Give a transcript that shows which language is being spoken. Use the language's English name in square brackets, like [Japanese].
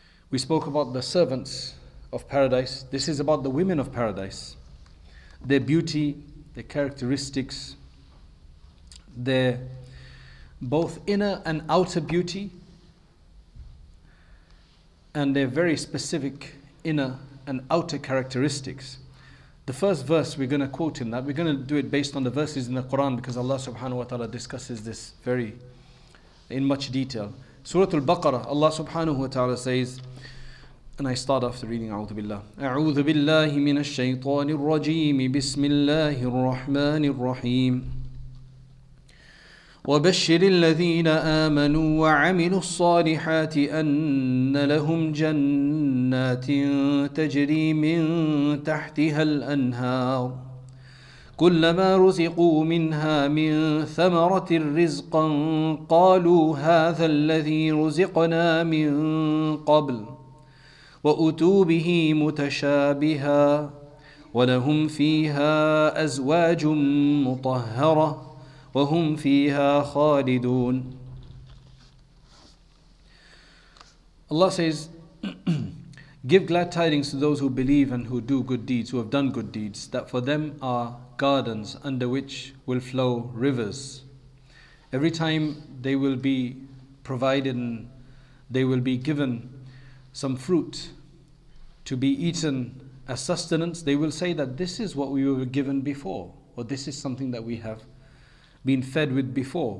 [English] We spoke about the servants of paradise. This is about the women of paradise, their beauty, their characteristics, their both inner and outer beauty, and their very specific inner and outer characteristics. The first verse we're going to quote in that, we're going to do it based on the verses in the Quran, because Allah subhanahu wa ta'ala discusses this very in much detail. Surah Al-Baqarah, Allah subhanahu wa ta'ala says, and I start off the reading, أعوذ بالله. [Arabic] أعوذ بالله من الشيطان الرجيم بسم الله الرحمن الرحيم وبشر الذين آمنوا وعملوا الصالحات أن لهم جنات تجري من تحتها الأنهار كلما رزقوا منها من ثمرة رزقا قالوا هذا الذي رزقنا من قبل وأتوا به متشابها ولهم فيها أزواج مطهرة وهم فيها خالدون. [English] Allah says, give glad tidings to those who believe and who do good deeds, who have done good deeds, that for them are gardens under which will flow rivers. Every time they will be provided and they will be given some fruit to be eaten as sustenance, they will say that this is what we were given before, or this is something that we have been fed with before.